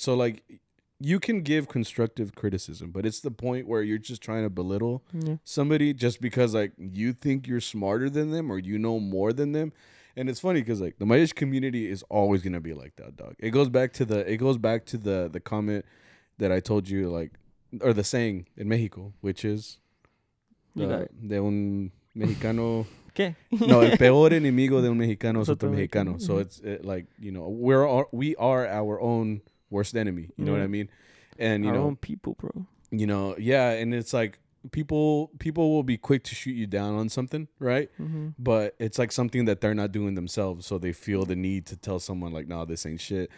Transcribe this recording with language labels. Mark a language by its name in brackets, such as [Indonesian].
[English] So, like, you can give constructive criticism, but it's the point where you're just trying to belittle somebody just because, like, you think you're smarter than them or you know more than them. And it's funny because, like, the mariachi community is always going to be like that, dog. It goes back to the comment that I told you, like, or the saying in Mexico, which is, [Spanish] de un mexicano. ¿Qué? No, el peor enemigo de un mexicano es otro mexicano. [English] So it's like, you know, we are our own worst enemy. You know what I mean? And, you our know, own people, bro. You know, yeah. And it's like, people will be quick to shoot you down on something, right? Mm-hmm. But it's like something that they're not doing themselves, so they feel the need to tell someone like, "Nah, this ain't shit.